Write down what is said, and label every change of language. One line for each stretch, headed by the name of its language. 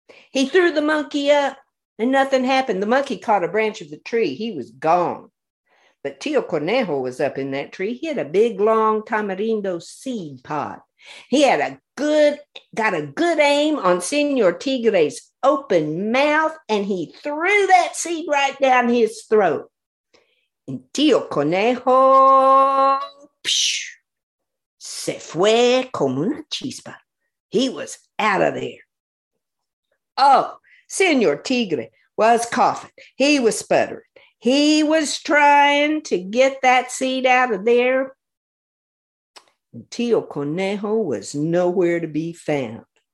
English: He threw the monkey up and nothing happened. The monkey caught a branch of the tree. He was gone. But Tio Conejo was up in that tree. He had a big, long tamarindo seed pod. He had got a good aim on Señor Tigre's open mouth, and he threw that seed right down his throat.
Spanish: And Tio Conejo, se fue como una chispa.
English: He was out of there. Oh, Señor Tigre was coughing. He was sputtering. He was trying to get that seed out of there. And Tio Conejo was nowhere to be found.